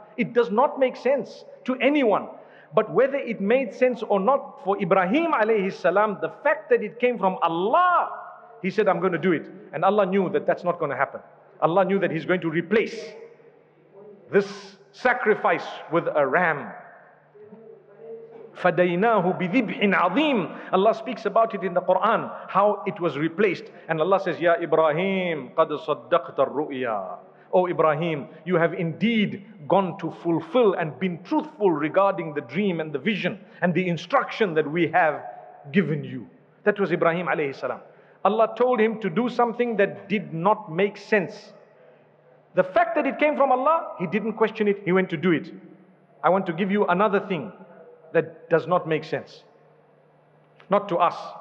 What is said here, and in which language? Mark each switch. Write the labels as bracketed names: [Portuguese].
[English] It does not make sense to anyone. But whether it made sense or not for Ibrahim alayhi salam, the fact that it came from Allah, he said, I'm going to do it. And Allah knew that that's not going to happen. Allah knew that He's going to replace this sacrifice with a ram. [Arabic] فَدَيْنَاهُ بِذِبْحٍ عَظِيمٍ. [English] Allah speaks about it in the Quran, how it was replaced. And Allah says, [Arabic] يَا إِبْرَاهِيمُ قَدْ صَدَّقْتَ الرُّؤْيَا. [English] Oh Ibrahim, you have indeed gone to fulfill and been truthful regarding the dream and the vision and the instruction that we have given you. That was Ibrahim alayhi salam. Allah told him to do something that did not make sense. The fact that it came from Allah, he didn't question it, he went to do it. I want to give you another thing that does not make sense. Not to us.